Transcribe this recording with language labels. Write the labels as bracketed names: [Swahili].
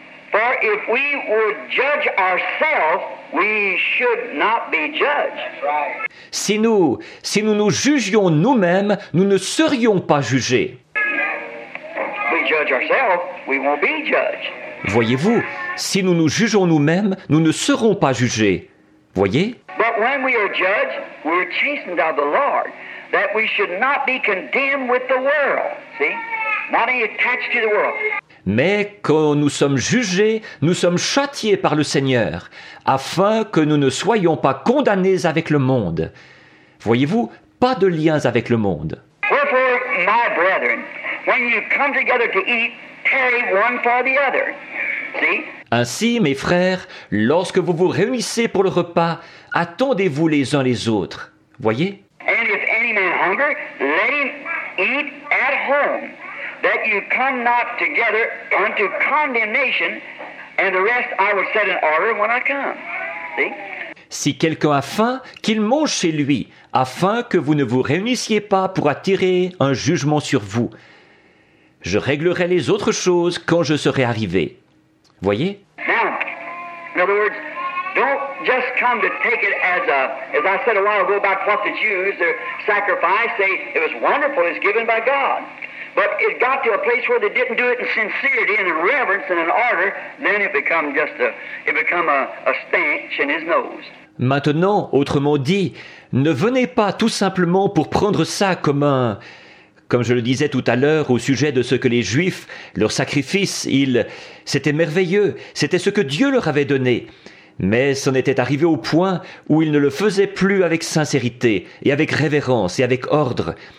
[English] For if we would judge ourselves, we should not be judged. That's right. [French] Si nous nous jugions nous-mêmes, nous ne serions pas jugés. [English] We judge ourselves, we won't be judged. [French] Voyez-vous, si nous nous jugeons nous-mêmes, nous ne serons pas jugés. Voyez? [English] But when we are judged, we are chastened of the Lord, that we should not be condemned with the world. See? Not any attached to the world. [French] Mais quand nous sommes jugés, nous sommes châtiés par le Seigneur, afin que nous ne soyons pas condamnés avec le monde. Voyez-vous, pas de liens avec le monde. [English] Wherefore, my brethren, when you come together to eat, tarry one for the other. See? [French] Ainsi, mes frères, lorsque vous vous réunissez pour le repas, attendez-vous les uns les autres. Voyez? [English] And if any man hunger, let him eat at home, that you come not together unto condemnation, and the rest I will set in order when I come. See? [French] Si quelqu'un a faim, qu'il mange chez lui, afin que vous ne vous réunissiez pas pour attirer un jugement sur vous. Je réglerai les autres choses quand je serai arrivé. Voyez? [English] Now, in other words, don't just come to take it as I said a while ago about what the Jews, their sacrifice, say it was wonderful, it's given by God. But it got to a place where they didn't do it in sincerity and in reverence and in order, then it become a stench in his nose. [French] Maintenant, autrement dit, ne venez pas tout simplement pour prendre ça comme un... Comme je le disais tout à l'heure au sujet de ce que les Juifs, leur sacrifice, c'était merveilleux, c'était ce que Dieu leur avait donné. Mais c'en était arrivé au point où ils ne le faisaient plus avec sincérité et avec révérence et avec ordre.